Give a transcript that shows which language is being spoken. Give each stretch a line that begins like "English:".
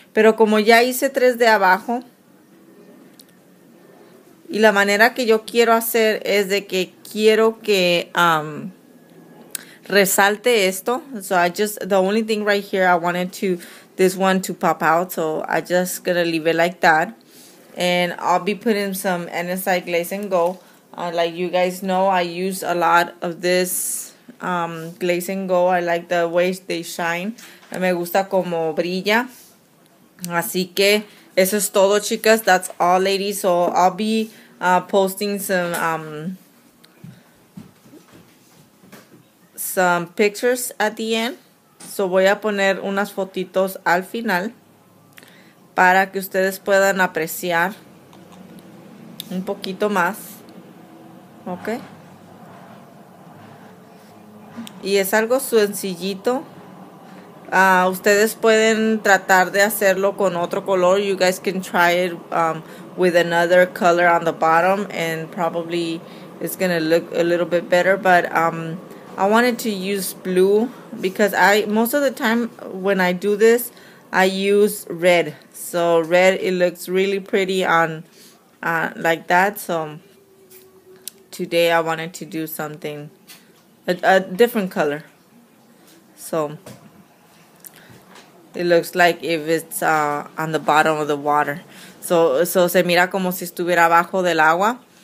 Spanish: Pero como ya hice 3D abajo, y la manera que yo quiero hacer es de que quiero que resalte esto.
English: So I just, the only thing right here, I wanted to, this one to pop out. So I just gonna leave it like that. And I'll be putting some NSI glaze and go. Like you guys know, I use a lot of this glaze and go. I like the way they shine.
Spanish: Me gusta como brilla. Así que eso es todo, chicas.
English: That's all, ladies. So I'll be posting some pictures at the end.
Spanish: So voy a poner unas fotitos al final para que ustedes puedan apreciar un poquito más. Okay. Y es algo sencillito. Ustedes pueden tratar de hacerlo con otro color.
English: You guys can try it with another color on the bottom, and probably it's gonna look a little bit better. But I wanted to use blue because I, most of the time when I do this, I use red. So red, it looks really pretty on like that. So today I wanted to do something a different color, so it looks like if it's on the bottom of the water.
Spanish: So se mira como si estuviera abajo del agua.